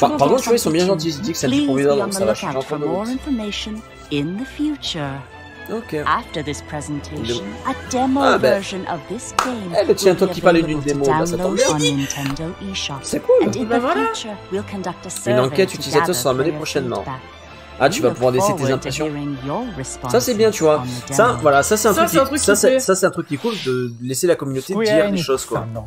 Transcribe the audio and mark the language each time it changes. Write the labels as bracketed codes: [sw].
[fr] Par contre, tu vois, ils sont bien gentils. Ils disent que c'est du provisoire, donc ça va. Je suis en train de le Ok. [en] After this presentation, a demo version of this game. [fr] Eh, mais tiens, toi qui parlais d'une démo, bah, ça tombe bien. C'est cool. Et bah voilà. [en] We'll conduct a survey. [fr] Une enquête utilisateur sera menée prochainement. Ah, tu vas pouvoir laisser tes impressions. Ça, c'est bien, tu vois. Ça, voilà, ça, c'est un truc qui est cool. Ça, c'est un truc qui est cool de laisser la communauté dire des choses, quoi.